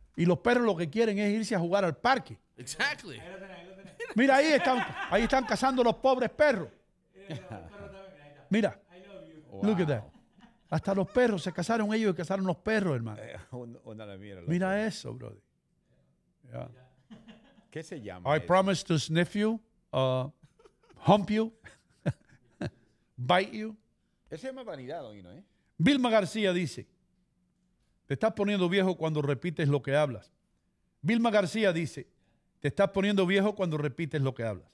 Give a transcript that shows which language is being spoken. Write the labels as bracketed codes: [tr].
[es] Y los perros lo que quieren es irse a jugar al parque. [en] Exactly. [es] Mira, ahí están cazando los pobres perros. Mira. [en] I love you. Wow. Look at that. [es] Hasta los perros, se casaron ellos y casaron los perros, hermano. Una la mierda. Mira eso, brody. Yeah. ¿Qué se llama? [en] I promise to sniff you, hump you, bite you. [es] Eso se llama vanidad, Oino, ¿eh? Vilma García dice, te estás poniendo viejo cuando repites lo que hablas. Vilma García dice, te estás poniendo viejo cuando repites lo que hablas.